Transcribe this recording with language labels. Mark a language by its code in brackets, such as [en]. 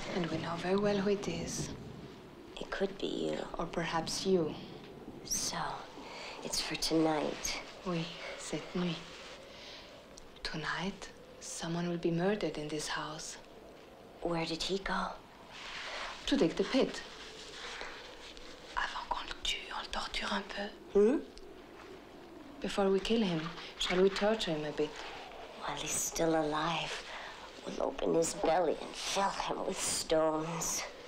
[en] And we know very well who it is. It could be you. Or perhaps you. So, it's for tonight. [fr] Oui, cette nuit. [en] Tonight, someone will be murdered in this house. Where did he go? To dig the pit. [fr] Avant qu'on le tue, on le torture un peu. [en] Hmm? Before we kill him, shall we torture him a bit? While he's still alive, we'll open his belly and fill him with stones.